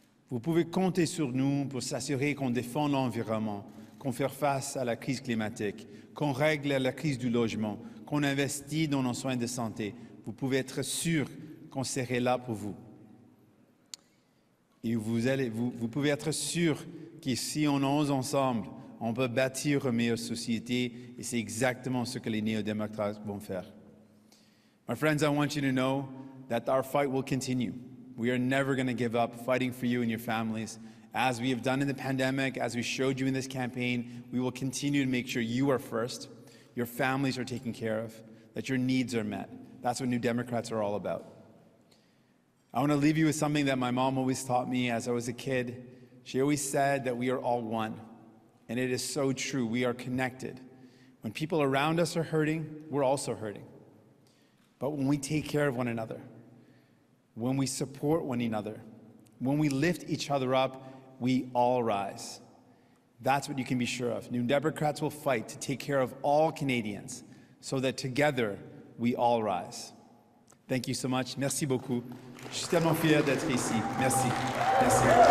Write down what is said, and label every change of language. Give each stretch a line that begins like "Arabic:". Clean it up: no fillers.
French: Vous pouvez compter sur nous pour s'assurer qu'on défend l'environnement, qu'on fait face à la crise climatique, qu'on règle la crise du logement, qu'on investit dans nos soins de santé. Vous pouvez être sûr qu'on serait là pour vous. Et vous pouvez être sûr que si on ose ensemble, on peut bâtir une meilleure société. Et c'est exactement ce que les néo-démocrates vont faire.
English: My friends, I want you to know that our fight will continue. We are never going to give up fighting for you and your families. As we have done in the pandemic, as we showed you in this campaign, we will continue to make sure you are first, your families are taken care of, that your needs are met. That's what New Democrats are all about. I want to leave you with something that my mom always taught me as I was a kid. She always said that we are all one, and it is so true. We are connected. When people around us are hurting, we're also hurting. But when we take care of one another, when we support one another, when we lift each other up, we all rise. That's what you can be sure of. New Democrats will fight to take care of all Canadians so that together we all rise. Thank you so much.
French: Merci beaucoup. Je suis tellement fier d'être ici. Merci. Merci.